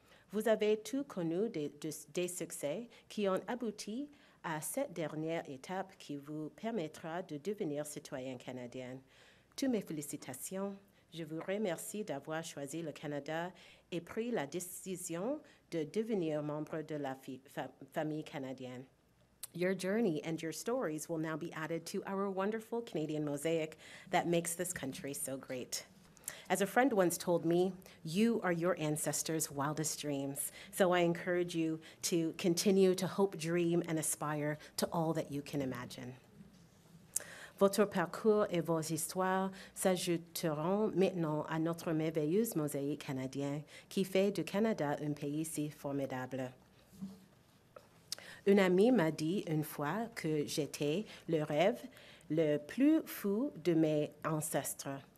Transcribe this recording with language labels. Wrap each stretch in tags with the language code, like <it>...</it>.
<fr>Vous avez tout connu des succès qui ont abouti à cette dernière étape qui vous permettra de devenir citoyen canadien. Toutes mes félicitations. Je vous remercie d'avoir choisi le Canada et pris la décision de devenir membre de la famille canadienne.</fr> <en>Your journey and your stories will now be added to our wonderful Canadian mosaic that makes this country so great. As a friend once told me, you are your ancestors' wildest dreams. So I encourage you to continue to hope, dream, and aspire to all that you can imagine.</en> <fr>Votre parcours et vos histoires s'ajouteront maintenant à notre merveilleuse mosaïque canadienne qui fait du Canada un pays si formidable. Une amie m'a dit une fois que j'étais le rêve le plus fou de mes ancêtres.</fr>